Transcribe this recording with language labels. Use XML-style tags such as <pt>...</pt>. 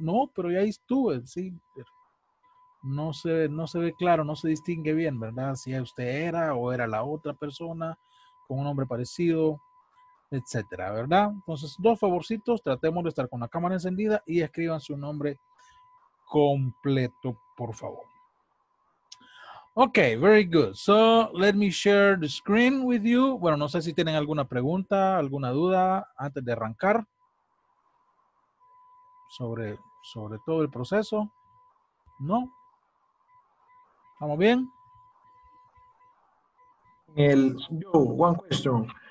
<es>No, pero ya estuve, sí. No se ve claro, no se distingue bien, ¿verdad? Si usted era o era la otra persona con un nombre parecido, etcétera, ¿verdad? Entonces, dos favorcitos, tratemos de estar con la cámara encendida y escriban su nombre completo, por favor.</es> <en>Okay, very good. So, let me share the screen with you.</en> <es>Bueno, no sé si tienen alguna pregunta, alguna duda antes de arrancar sobre todo el proceso. ¿No? ¿Estamos bien?</es> <en>Yo, one question.</en>